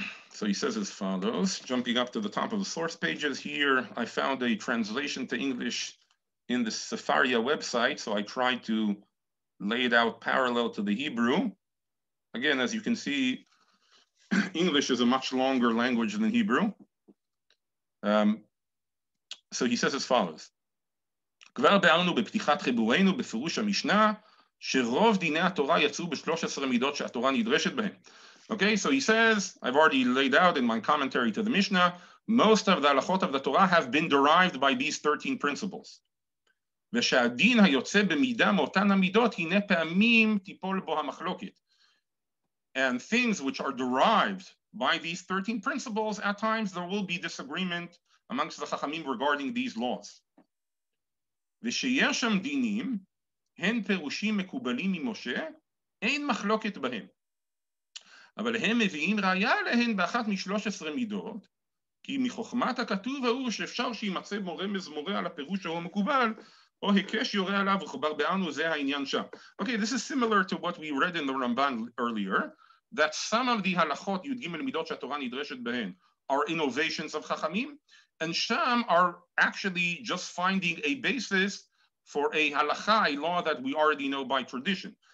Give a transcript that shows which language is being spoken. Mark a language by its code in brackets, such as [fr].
[en] So he says as follows, jumping up to the top of the source pages here, I found a translation to English in the Sefaria website, so I tried to lay it out parallel to the Hebrew. Again, as you can see, English is a much longer language than Hebrew. So he says as follows, [he] כבר בארנו בפתיחת חיבורנו בפירוש המשנה שרוב דיני התורה יצאו ב-13 מידות שהתורה נדרשת בהם. [en] Okay, so he says, I've already laid out in my commentary to the Mishnah, most of the הלכות of the Torah have been derived by these 13 principles. [he] ושהדין היוצא במידה מאותן המידות הנה פעמים טיפול בו המחלוקת. [en] And things which are derived by these 13 principles, at times there will be disagreement amongst the Hakhamim regarding these laws. [he] ושיש שם דינים, הן פירושים מקובלים ממשה, אין מחלוקת בהם. אבל הם מביאים ראיה להן באחת מ-13 מידות, כי מחוכמת הכתוב ההוא שאפשר שימצא בו רמז מורה על הפירוש שהוא מקובל, או היקש יורה עליו וחבר בענו, זה העניין שם. [en] Okay, this is similar to what we read in the Ramban earlier, that some of the הלכות, [he] י"ג מידות שהתורה נדרשת בהן, [en] are innovations of Chachamim, and some are actually just finding a basis for a halakha, a law that we already know by tradition.